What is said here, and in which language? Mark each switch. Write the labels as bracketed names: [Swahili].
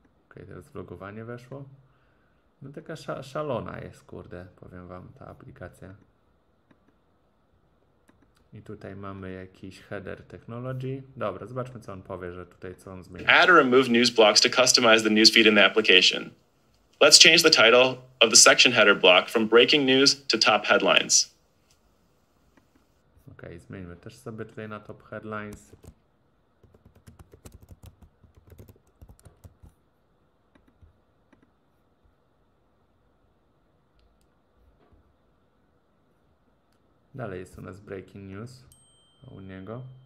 [Polish] Okej, teraz vlogowanie weszło. No taka szalona jest, kurde, powiem wam, ta aplikacja. I tutaj mamy jakiś header technology. Dobra, zobaczmy, co on powie, że tutaj co on zmienia. [English] Add or remove news blocks to customize the newsfeed in the application. Let's change the title of the section header block from breaking news to top headlines. [Polish] Okej, zmieńmy też sobie tutaj na top headlines. Dalej jest u nas breaking news u niego.